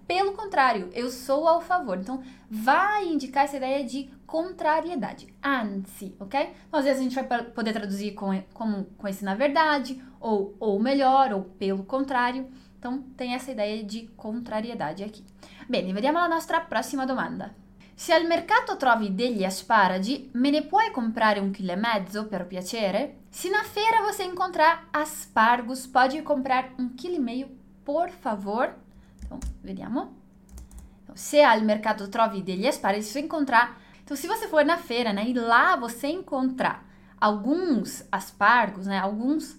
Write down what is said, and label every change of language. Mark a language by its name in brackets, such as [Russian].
[Portuguese] Pelo contrário, eu sou ao favor. Então, vai indicar essa ideia de contrariedade. Anzi, ok? Então, às vezes a gente vai poder traduzir com esse na verdade, ou melhor, ou pelo contrário. Então, tem essa ideia de contrariedade aqui. [Italian] Bene, vediamo la nostra prossima domanda. Se al mercato trovi degli asparagi, me ne puoi comprare 1,5 kg per piacere? [Portuguese] Se na feira você encontrar aspargos, pode comprar 1,5 kg, por favor? Então, [Italian] vediamo. Se al mercato trovi degli asparagi, [Portuguese] se encontrar. Então, se você for na feira, né, e lá você encontrar alguns aspargos, né, alguns.